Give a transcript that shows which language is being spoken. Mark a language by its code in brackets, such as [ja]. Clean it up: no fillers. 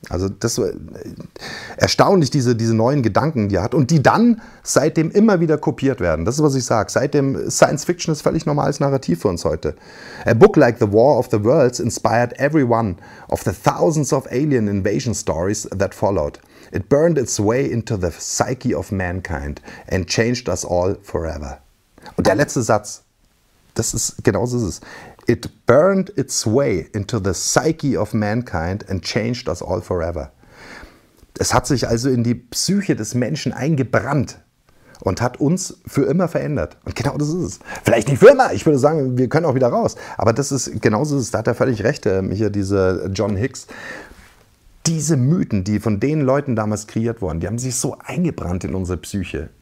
[de] Also das erstaunlich, diese neuen Gedanken, die er hat und die dann seitdem immer wieder kopiert werden. Das ist, was ich sage. Seitdem, Science Fiction ist völlig normales Narrativ für uns heute. [en] A book like The War of the Worlds inspired every one of the thousands of alien invasion stories that followed. It burned its way into the psyche of mankind and changed us all forever. [de] Und der letzte Satz, das ist, genau so ist es. [en] It burned its way into the psyche of mankind and changed us all forever. [de] Es hat sich also in die Psyche des Menschen eingebrannt und hat uns für immer verändert. Und genau das ist es. Vielleicht nicht für immer, ich würde sagen, wir können auch wieder raus. Aber das ist, genau so ist es, da hat er völlig recht, hier diese John Hicks. Diese Mythen, die von den Leuten damals kreiert wurden, die haben sich so eingebrannt in unsere Psyche.